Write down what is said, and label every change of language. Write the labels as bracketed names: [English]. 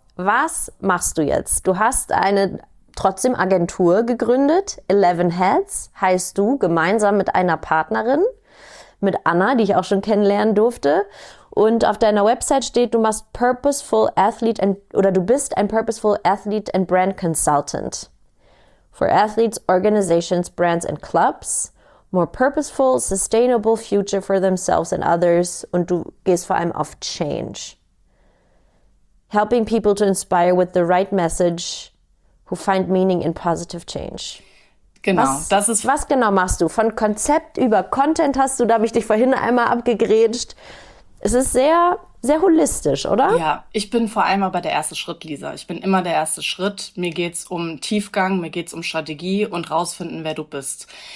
[German] Was machst du jetzt? Du hast eine trotzdem Agentur gegründet. 11 Heads heißt du, gemeinsam mit einer Partnerin, mit Anna, die ich auch schon kennenlernen durfte. Und auf deiner Website steht, du machst Purposeful Athlete oder du bist ein Purposeful Athlete and Brand Consultant. [English] For athletes, organizations, brands and clubs. More purposeful, sustainable future for themselves and others. [German] Und du gehst vor allem auf Change. [English] Helping people to inspire with the right message. Who find meaning in positive change. [German] Genau. Was genau machst du? Von Konzept über Content hast du, da habe ich dich vorhin einmal abgegrätscht. Es ist sehr, sehr holistisch, oder? Ja, ich bin vor allem aber der erste Schritt, Lisa. Ich bin immer der erste Schritt. Mir geht es um Tiefgang, mir geht es um Strategie und rausfinden, wer du bist.